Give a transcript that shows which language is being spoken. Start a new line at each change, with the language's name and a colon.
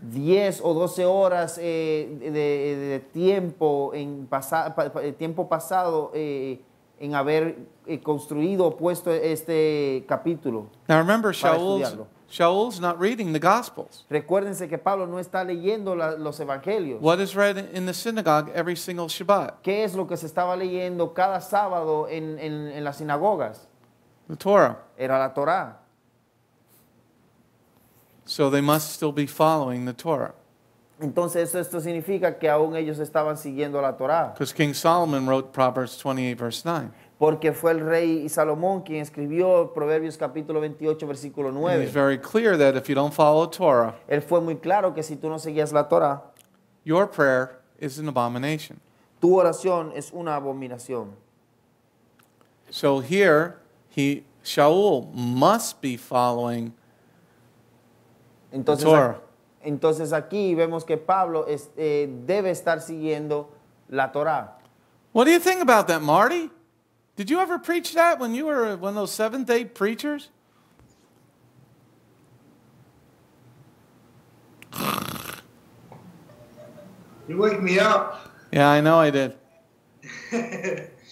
Spanish: 10 o 12 horas de tiempo en tiempo pasado en haber construido puesto este capítulo.
English: Now remember, Sha’ul's not reading the Gospels.
Spanish: Recuérdense que Pablo no está leyendo los evangelios.
English: What is read in the synagogue every single Shabbat?
Spanish: ¿Qué es lo que se estaba leyendo cada sábado en las sinagogas?
English: The Torah.
Spanish: Era la Torá.
English: So they must still be following the Torah.
Spanish: Entonces esto significa que aún ellos estaban siguiendo la Torá.
English: Because King Solomon wrote Proverbs 28 verse 9.
Spanish: Porque fue el rey Salomón quien escribió Proverbios capítulo 28 versículo 9.
English: He's very clear that if you don't follow Torah.
Spanish: Él fue muy claro que si tú no seguías la Torá.
English: Your prayer is an abomination.
Spanish: Tu oración es una abominación.
English: So here Sha’ul must be following.
Spanish: Entonces, entonces aquí vemos que Pablo debe estar siguiendo la Torá.
English: What do you think about that, Marty? Did you ever preach that when you were one of those Seventh-day preachers? You wake me up. Yeah, I know I did.